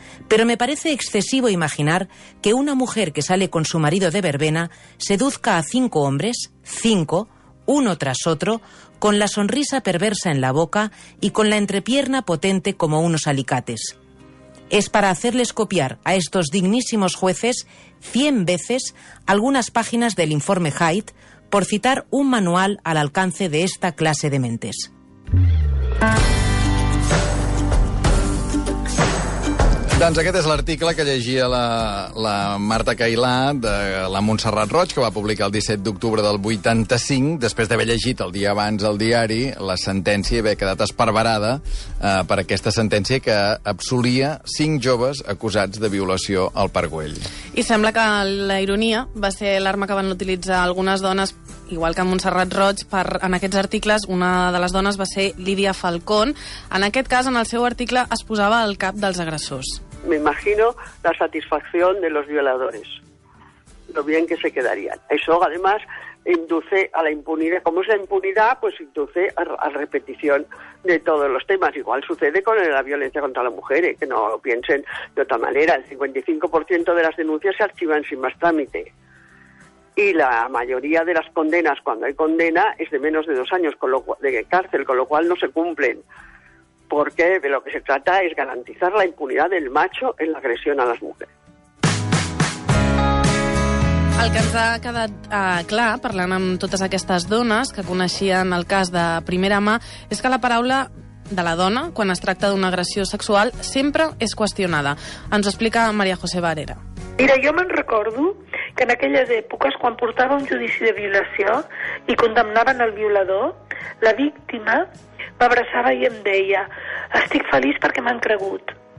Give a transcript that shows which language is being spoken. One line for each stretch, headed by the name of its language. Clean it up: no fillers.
Spanish: Pero me parece excesivo imaginar que una mujer que sale con su marido de verbena seduzca a 5 hombres, 5, uno tras otro, con la sonrisa perversa en la boca y con la entrepierna potente como unos alicates. Es para hacerles copiar a estos dignísimos jueces 100 veces algunas páginas del informe Haidt, por citar un manual al alcance de esta clase de mentes.
Catalan: Doncs aquest és l'article que llegia la Marta Cailà de la Montserrat Roig, que va publicar el 17 d'octubre del 85, després d'haver llegit el dia abans el diari, la sentència, i haver quedat esparverada per aquesta sentència que absolia 5 joves acusats de violació al Parc Güell. I sembla que la ironia va ser l'arma que van utilitzar algunes dones, igual que Montserrat Roig, en aquests articles. Una de les dones va ser Lídia Falcón. En aquest cas, en el seu article, es posava al cap dels agressors.
Spanish: Me imagino la satisfacción de los violadores, lo bien que se quedarían. Eso, además, induce a la impunidad. Como es la impunidad, pues induce a repetición de todos los temas. Igual sucede con la violencia contra las mujeres, que no lo piensen de otra manera. El 55% de las denuncias se archivan sin más trámite. Y la mayoría de las condenas, cuando hay condena, es de menos de 2 años de cárcel, con lo cual no se cumplen. Porque de lo que se trata es garantizar la impunidad del macho en la agresión a las mujeres.
Catalan: El que ens ha quedat clar, parlant amb totes aquestes dones que coneixien el cas de primera mà, és que la paraula de la dona, quan es tracta d'una agressió sexual, sempre és qüestionada. Ens ho explica María José Barrera. Mira, jo me'n recordo que en aquelles èpoques, quan portava un judici de violació i condemnaven el violador, la víctima m'abraçava i em deia: estic feliç perquè m'han cregut.